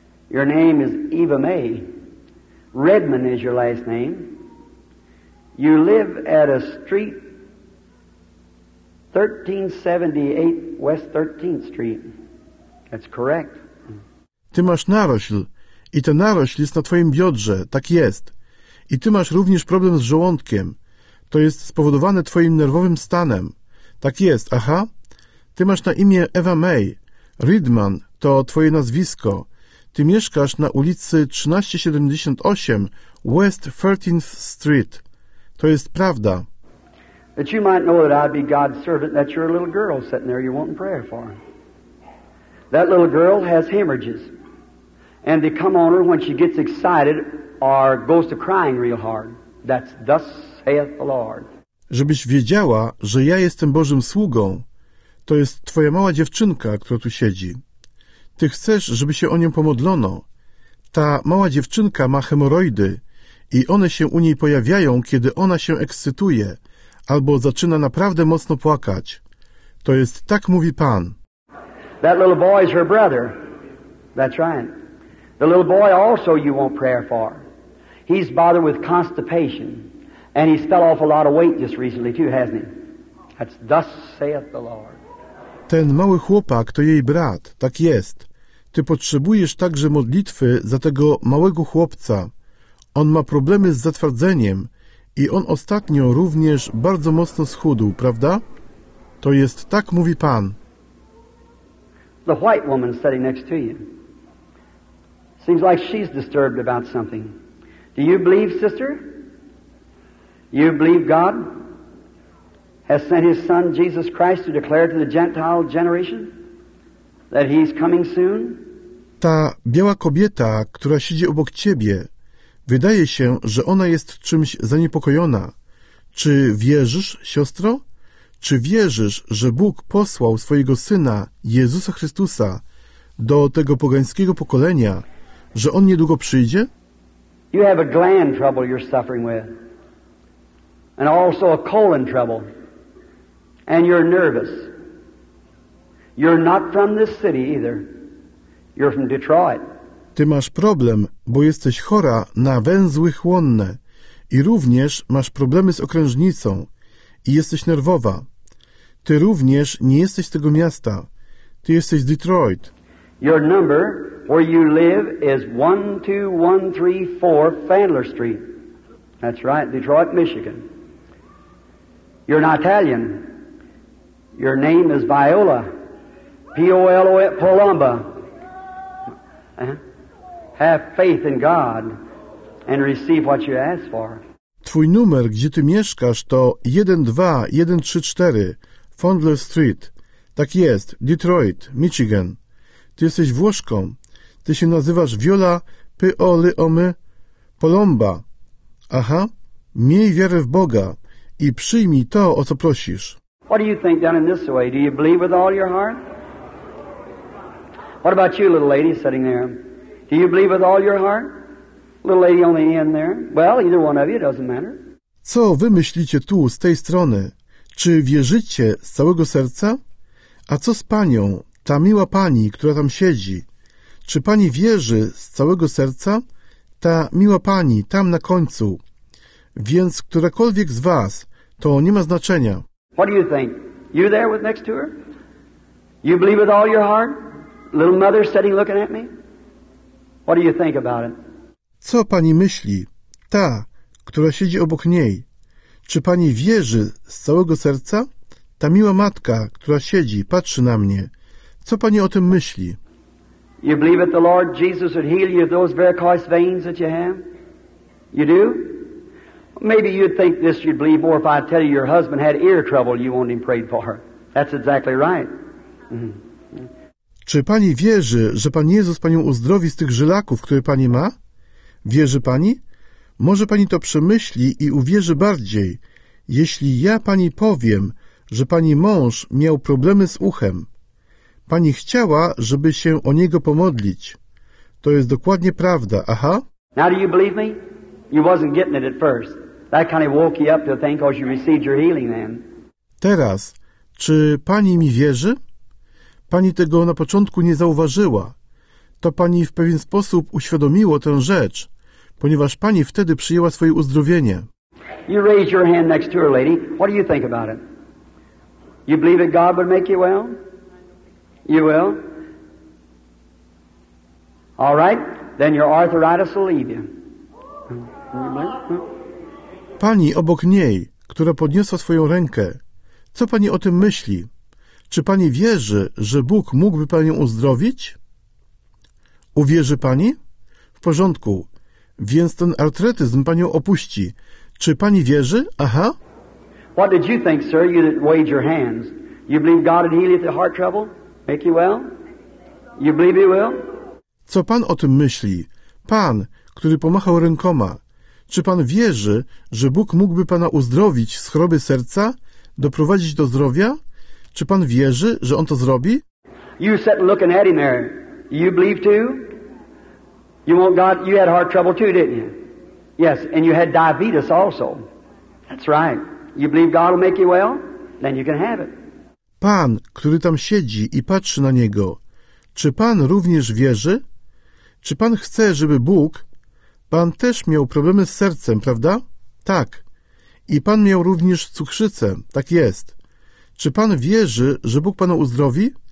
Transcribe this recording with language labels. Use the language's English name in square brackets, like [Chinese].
[English] Your name is Eva May. Redmond is your last name. You live at a street, 1378 West 13th Street. That's correct. [Polish] Ty masz narośl i ta narośl jest na twoim biodrze, tak jest. I ty masz również problem z żołądkiem. To jest spowodowane twoim nerwowym stanem. Tak jest, aha. Ty masz na imię Eva May. Redmond to twoje nazwisko. Ty mieszkasz na ulicy 1378 West 13th Street. To jest prawda. [English] That you might know that I'd be God's servant, that you're a little girl sitting there you're wanting prayer for. That little girl has hemorrhages. And they come on her when she gets excited or goes to crying real hard. That's thus saith the Lord. [Polish] Żebyś wiedziała, że ja jestem Bożym sługą. To jest twoja mała dziewczynka, która tu siedzi. Ty chcesz, żeby się o nią pomodlono. Ta mała dziewczynka ma hemoroidy i one się u niej pojawiają, kiedy ona się ekscytuje albo zaczyna naprawdę mocno płakać. To jest tak, mówi Pan. [English] That little boy is her brother. That's right. The little boy also you want prayer for. He's bothered with constipation and he's fell off a lot of weight just recently too, hasn't he? That's thus saith the Lord. [Polish] Ten mały chłopak to jej brat, tak jest. Ty potrzebujesz także modlitwy za tego małego chłopca. On ma problemy z zatwardzeniem i on ostatnio również bardzo mocno schudł, prawda? To jest tak, mówi Pan. [English] The white woman sitting next to you. Seems like she's disturbed about something. Do you believe, sister? You believe God has sent his son, Jesus Christ, to declare to the Gentile generation that he's coming soon? [Polish] Ta biała kobieta, która siedzi obok ciebie, wydaje się, że ona jest czymś zaniepokojona. Czy wierzysz, siostro? Czy wierzysz, że Bóg posłał swojego Syna, Jezusa Chrystusa, do tego pogańskiego pokolenia, że On niedługo przyjdzie? [English] You have a gland trouble you're suffering with. And also a colon trouble. And you're nervous. You're not from this city either. You're from Detroit. [Polish] Ty masz problem, bo jesteś chora na węzły chłonne i również masz problemy z okrężnicą i jesteś nerwowa. Ty również nie jesteś z tego miasta. Ty jesteś z Detroit. [English] Your number where you live is 12134 Fandler Street. That's right, Detroit, Michigan. You're not Italian. Your name is Viola. P-O-L-O-E Palumba. Have faith in God and receive what you ask for. [Polish] Twój numer, gdzie ty mieszkasz, to 12134 Fandler Street. Tak jest, Detroit, Michigan. Ty jesteś Włoszką. Ty się nazywasz Viola py-o-ly-o-my, polomba. Aha, miej wiarę w Boga i przyjmij to, o co prosisz. [English] What do you think done in this way? Do you believe with all your heart? What about you, little lady sitting there? Do you believe with all your heart? Little lady on the end there. Well, either one of you, it doesn't matter. [Polish] Co wy myślicie tu, z tej strony? Czy wierzycie z całego serca? A co z panią, ta miła pani, która tam siedzi? Czy pani wierzy z całego serca? Ta miła pani, tam na końcu. Więc którakolwiek z was, to nie ma znaczenia. [English] What do you think? You there with next to her? You believe with all your heart? Little mother sitting looking at me? What do you think about it? [Polish] Co pani myśli? Ta, która siedzi obok niej. Czy pani wierzy z całego serca? Ta miła matka, która siedzi, patrzy na mnie. Co pani o tym myśli? [English] You believe that the Lord Jesus would heal you of those varicose veins that you have? You do? Maybe you'd think this you'd believe more if I tell you your husband had ear trouble you want him prayed for. That's exactly right. Mm-hmm. [Polish] Czy pani wierzy, że Pan Jezus panią uzdrowi z tych żylaków, które pani ma? Wierzy pani? Może pani to przemyśli i uwierzy bardziej, jeśli ja pani powiem, że pani mąż miał problemy z uchem. Pani chciała, żeby się o niego pomodlić. To jest dokładnie prawda, aha. [English] Now do you believe me? You wasn't getting it at first. That kind of woke you up to think because you received your healing then. [Polish] Teraz, czy pani mi wierzy? Pani tego na początku nie zauważyła. To pani w pewien sposób uświadomiło tę rzecz, ponieważ pani wtedy przyjęła swoje uzdrowienie. [English] You raise your hand next to her, lady. What do you think about it? You believe that God would make you well? You will? All right, then your arthritis will leave you. [Polish] Pani obok niej, która podniosła swoją rękę, co pani o tym myśli? Czy pani wierzy, że Bóg mógłby panią uzdrowić? Uwierzy pani? W porządku. Więc ten artretyzm panią opuści. Czy pani wierzy? Aha. [English] What did you think, sir, you that wage your hands? You believe God would heal you of the heart trouble? Make you well? You believe he will? [Polish] Co pan o tym myśli? Pan, który pomachał rękoma. Czy pan wierzy, że Bóg mógłby pana uzdrowić z choroby serca? Doprowadzić do zdrowia? Czy pan wierzy, że on to zrobi? [English] You sat looking at him there. You believe too? You want God? You had heart trouble too, didn't you? Yes, and you had diabetes also. That's right. You believe God will make you well? Then you can have it. [Polish] Pan, który tam siedzi i patrzy na niego, czy pan również wierzy? Czy pan chce, żeby Bóg... Pan też miał problemy z sercem, prawda? Tak. I pan miał również cukrzycę. Tak jest. Czy pan wierzy, że Bóg pana uzdrowi?